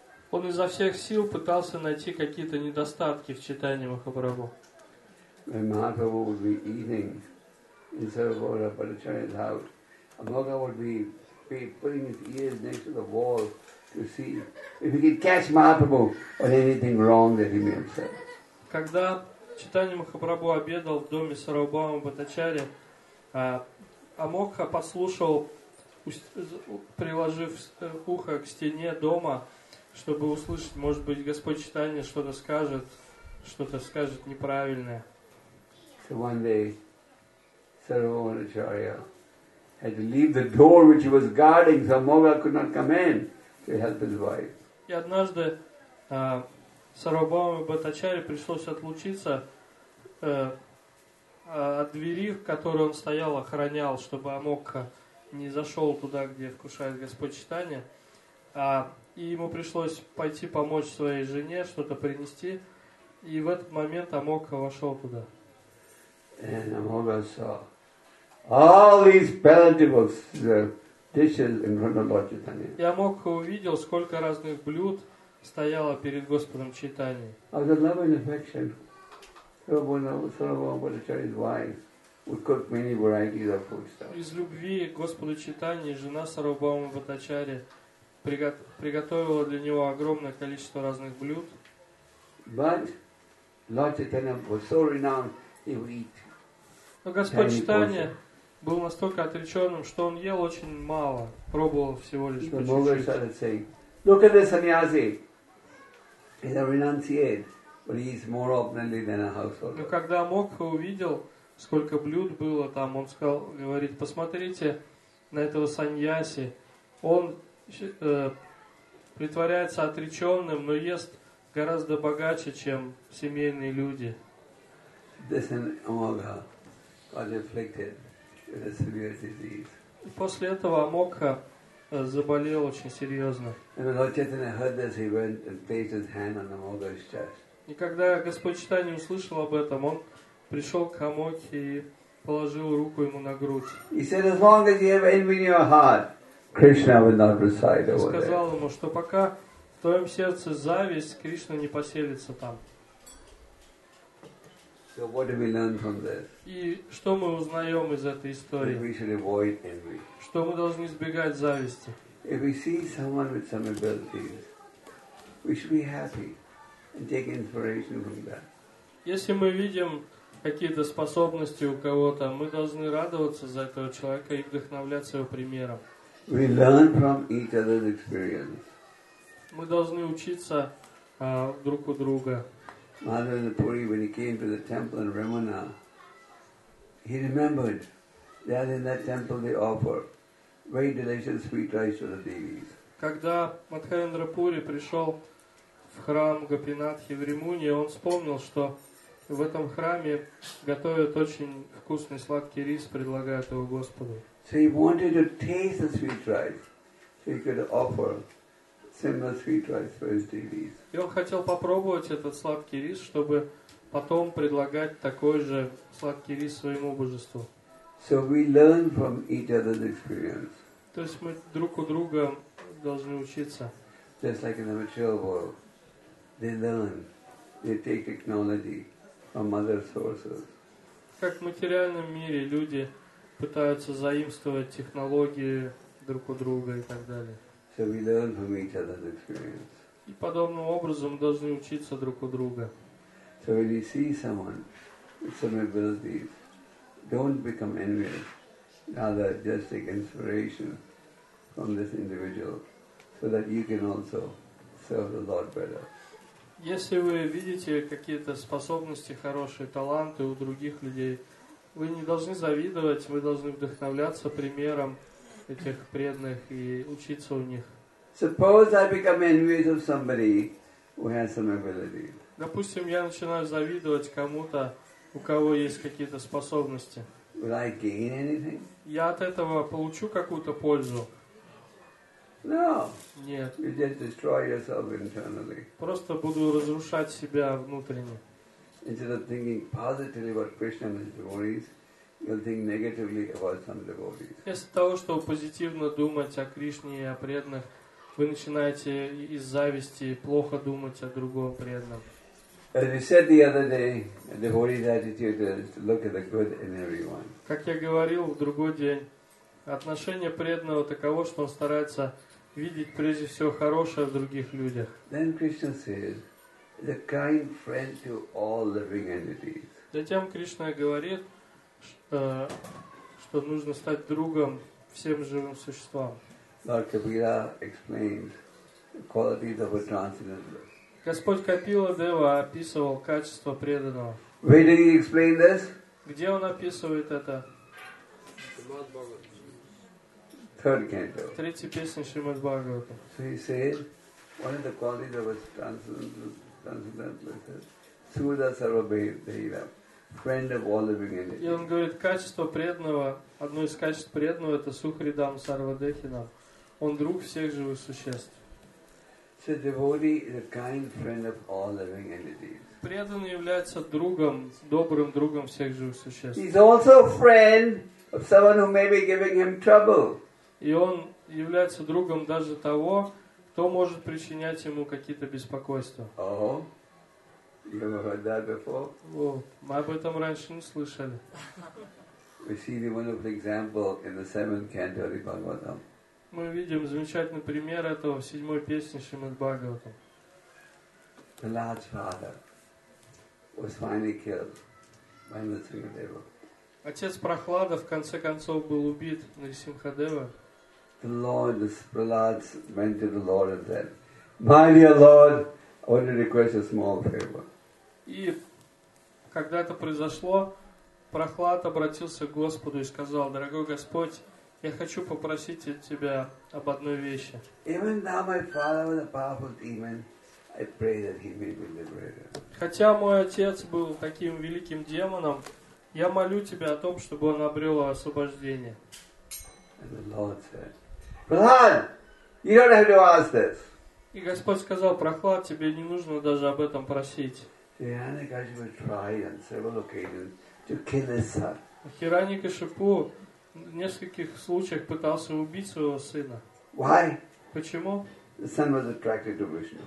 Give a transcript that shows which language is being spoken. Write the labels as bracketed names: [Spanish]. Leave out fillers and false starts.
[Russian] Он изо всех сил пытался найти какие-то недостатки в Чайтанье Махапрабху. [English] When Mahaprabhu would be eating in Sarvabhauma Bhattacharya's house, Amogha would be putting his ears next to the wall to see if he could catch Mahaprabhu on anything wrong that he may have said. [Russian] Когда Чайтанья Махапрабху обедал в доме Сарвабхаумы Бхаттачарьи, Амокха послушал, приложив ухо к стене дома, чтобы услышать, может быть, Господь Чайтанья что-то скажет неправильное. [English] So one day, Sarvabhauma Bhattacharya had to leave the door which he was guarding, so Amogha could not come in to help his wife. [Russian] И однажды Сарвабхаума Бхаттачарье пришлось отлучиться от двери, в которой он стоял, охранял, чтобы Амокха не зашел туда, где вкушает Господь Чайтанья, и ему пришлось пойти помочь своей жене что-то принести, И в этот момент Амокха вошел туда. [English] And Amokha saw all these palatables, the dishes in front of Lord Chaitanya. [Russian] И Амокха увидел, сколько разных блюд стояло перед Господом Чайтаньей. [English] Out of love and affection, Sarvabhaumacharya's wife would cook many varieties of foodstuffs. [Russian] Из любви к Господу Чайтанье жена Сарвабхаумы приготовила для него огромное количество разных блюд. [English] But Lord Chaitanya was so renowned, he would eat. [Russian] Но Господь Чайтанья был настолько отреченным, что он ел очень мало, пробовал всего лишь по чуть-чуть. [English] Look at the sannyasi. He's a renunciate, but he eats more openly than a householder. [Russian] Но когда Амокха увидел, сколько блюд было там, он сказал, говорит, посмотрите на этого саньяси. Он притворяется отреченным, но ест гораздо богаче, чем семейные люди. И после этого Амокха заболел очень серьезно. И когда Господь Чайтанья услышал об этом, он пришел к Амокхе и положил руку ему на грудь. [English] He said, as long as you have envy in your heart, Krishna will not reside over there. [Russian] Сказал ему, что пока в твоем сердце зависть, Кришна не поселится там. [English] So what do we learn from this? [Russian] И что мы узнаем из этой истории? [English] That we should avoid envy. [Russian] Что мы должны избегать зависти? [English] If we see someone with some abilities, we should be happy and take inspiration from that. [Russian] Если мы видим какие-то способности у кого-то, мы должны радоваться за этого человека и вдохновляться его примером. [English] We learn from each other's experience. [Russian] Мы должны учиться друг у друга. [English] Madhavendra Puri, when he came to the temple in Ramana, he remembered that in that temple they offer very delicious sweet rice to the devis. [Russian] Когда Мадхавендра Пури пришел в храм Гопинатхи в Римуне, он вспомнил, что в этом храме готовят очень вкусный сладкий рис, предлагают его Господу. [English] So he wanted to taste the sweet rice, so he could offer similar sweet rice for his devotees. [Russian] И он хотел попробовать этот сладкий рис, чтобы потом предлагать такой же сладкий рис своему божеству. [English] So we learn from each other's experience. [Russian] То есть мы друг у друга должны учиться. [English] Just like in the material world, they learn, they take technology from other sources. [Russian] Как в материальном мире люди пытаются заимствовать технологии друг у друга и так далее. [English] So we learn from each other's experience. [Russian] И подобным образом должны учиться друг у друга. [English] So when you see someone with some abilities, don't become envious. Rather, just take inspiration from this individual, so that you can also serve the Lord better. [Russian] Если вы видите какие-то способности хорошие, таланты у других людей, вы не должны завидовать, вы должны вдохновляться примером этих преданных и учиться у них. [English] Suppose I become envious of somebody who has some ability. [Russian] Допустим, я начинаю завидовать кому-то, у кого есть какие-то способности. [English] Will I gain anything? [Russian] Я от этого получу какую-то пользу? [English] No. [Russian] Нет. [English] You just destroy yourself internally. [Russian] Просто буду разрушать себя внутренне. [English] Instead of thinking positively about Krishna and his devotees, you'll think negatively about some devotees. [Russian] Вместо того, чтобы позитивно думать о Кришне и о преданных, вы начинаете из зависти плохо думать о другом преданном. [English] As we said the other day, a devotee's attitude is to look at the good in everyone. [Russian] Как я говорил в другой день, отношение преданного таково, что он старается видеть прежде всего хорошее в других людях. [English] Then Krishna says, the kind friend to all living entities. [Russian] Затем Кришна говорит, что нужно стать другом всем живым существам. [English] Lord Kapila explains the qualities of a transcendental. [Russian] Господь Капила Дева описывал качество преданного. [English] Where did he explain this? [Russian] Где он описывает это? [English] Third canto. [Russian] Третья песня Шримад Бхагавата. [English] So he said, one of the qualities of a transcendentalist, Suda Sarvabhaudeva, friend of all living entities. [Russian] И он говорит, качество преданного, одно из качеств преданного, это Сухридам Сарвадехина. Он друг всех живых существ. [English] So the devotee is a kind friend of all living entities. [Russian] Преданный является другом, добрым другом всех живых существ. [English] He's also a friend of someone who may be giving him trouble. [Russian] И он является другом даже того, кто может причинять ему какие-то беспокойства. [English] Oh, you never heard that before? [Russian] Мы об этом раньше не слышали. [English] We see the wonderful example in the seventh canto of Bhagavatam. [Russian] Мы видим замечательный пример этого в седьмой песне Шримад Бхагаватам. [English] Prahlad's father was finally killed by Narasimhadeva. [Russian] Отец Прохлада в конце концов был убит Нарисимхадева. [English] The Lord, Prahlad went to the Lord and said, "My dear Lord, I want to request a small favor." [Russian] И когда это произошло, Прохлад обратился к Господу и сказал: "Дорогой Господь, я хочу попросить от тебя об одной вещи." [English] Even though my father was a powerful demon, I pray that he may be liberated. [Russian] Хотя мой отец был таким великим демоном, я молю тебя о том, чтобы он обрел освобождение. [English] And the Lord said, "Prahlad, you don't have to ask this." [Russian] И Господь сказал: "Прохлад, тебе не нужно даже об этом просить." [English] Hiranyakashipu tried on several occasions to kill his son. [Russian] Хираньякашипу в нескольких случаях пытался убить своего сына. [English] Why? [Russian] Почему? [English] The son was attracted to Vishnu.